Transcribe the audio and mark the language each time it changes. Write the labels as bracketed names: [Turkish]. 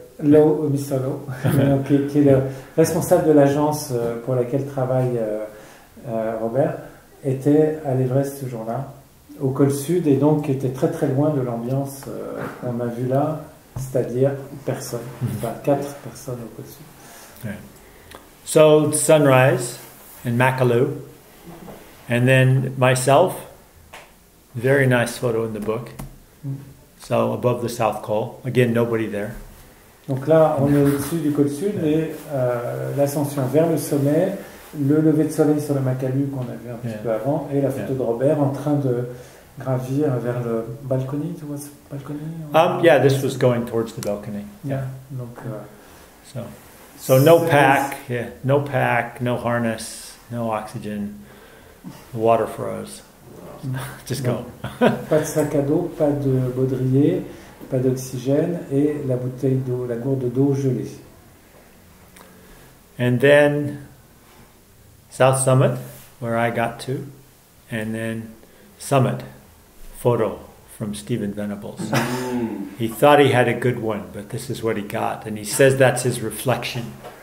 [French] Low, qui est le responsable de l'agence pour laquelle travaille Robert, était à l'Everest ce jour-là, au col sud, et donc était très très loin de l'ambiance qu'on a vue là, c'est-à-dire personne, enfin quatre personnes au col sud. [English] Right. So, sunrise in Makalu, and then myself, very nice photo in the book, so above the South Col, again nobody there. [French] Donc là, on est au-dessus du col sud et l'ascension vers le sommet, le lever de soleil sur le Makalu qu'on a vu un petit peu avant et la photo de Robert en train de gravir vers le balcony. Tu vois ce balcony? [English] Yeah, this was going towards the balcony. Yeah. [French] Donc, [English] So no pack, no pack, no harness, no oxygen, the water froze. Just go. [French] Pas de sac à dos, pas de baudrier. Pas d'oxygène et la bouteille d'eau, la gourde d'eau gelée. [English] And then South Summit, where I got to, and then Summit photo from Stephen Venables. He thought he had a good one, but this is what he got, and he says that's his reflection.